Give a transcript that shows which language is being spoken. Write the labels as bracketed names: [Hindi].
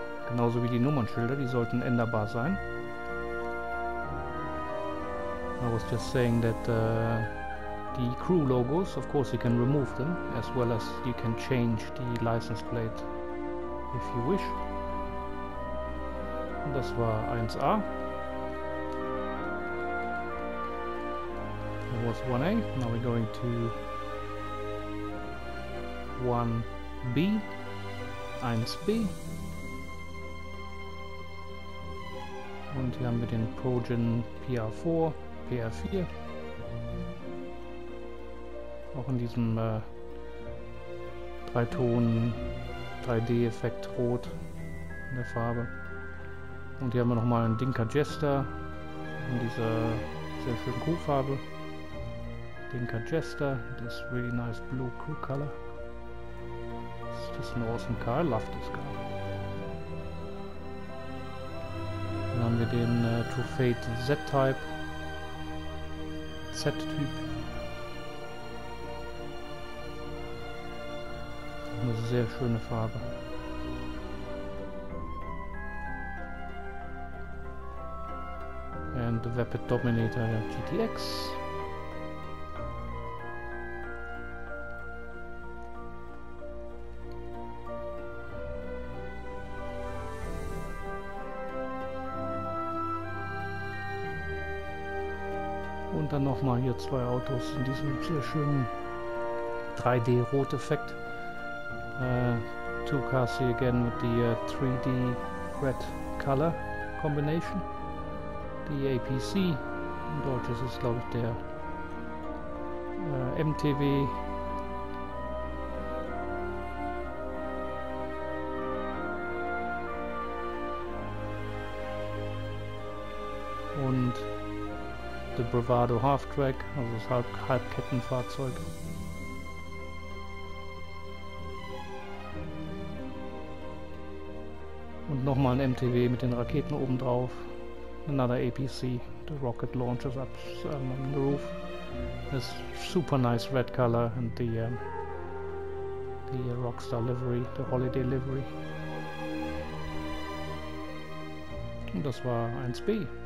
[German] Genauso wie die Nummernschilder, die sollten änderbar sein. [English] I was just saying that the Crew-Logos, of course you can remove them, as well as you can change the license plate if you wish. [German] Und das war 1A. [English] Was 1A, now we're going to 1B, 1B, [German] und hier haben wir den Progen PR4, PR4, auch in diesem Dreiton 3D-Effekt Rot in der Farbe, und hier haben wir nochmal einen Dinka Jester in dieser sehr schönen Kuhfarbe. [English] Dinka Jester, this really nice blue crew color. It's just an awesome car, I love this car. [German] Dann haben wir den True Fate Z-Typ. Eine sehr schöne Farbe. [English] And the Vapid Dominator GTX. [German] dann nochmal hier zwei Autos in diesem sehr schönen 3D-Rot-Effekt. [English] Two cars here again with the 3D red color combination. The APC, [German] in Deutsch ist es glaube ich der MTW. Und the Bravado Half-Track, also das Halbkettenfahrzeug. Und nochmal ein MTW mit den Raketen oben drauf. [English] Another APC, the rocket launches up on the roof. This super nice red color and the Rockstar livery, the holiday livery. [German] Und das war 1B.